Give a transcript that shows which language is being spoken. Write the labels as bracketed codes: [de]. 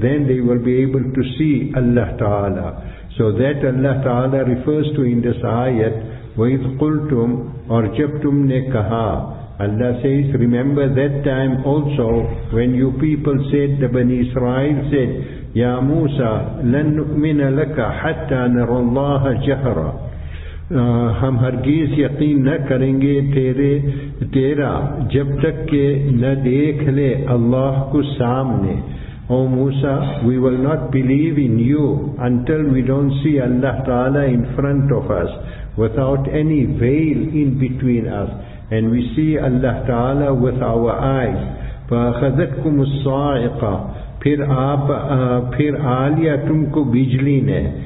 [en] Then they will be able to see Allah Ta'ala. So that Allah Ta'ala refers to in this ayat, [ar] وَإِذْ قُلْتُمْ أَرْجَبْتُمْ نَكَهَا. [en] Allah says, remember that time also when you people said, the Bani Israel said, Ya Musa, [ar] لَنْ نُؤْمِنَ لَكَ حَتَّى نَرَى اللَّهَ جَهْرًا. [ur] ہم ہرگیز یقین نہ کریں گے تیرا جب تک کہ نہ دیکھ لے اللہ کو سامنے. [en] O Musa, we will not believe in you until we don't see Allah Ta'ala in front of us, without any veil in between us, and we see Allah Ta'ala with our eyes. [ar] فَأَخَذَتْكُمُ الصَّاعِقَةِ. [ur] پھر آلیا تم کو بجلی نے.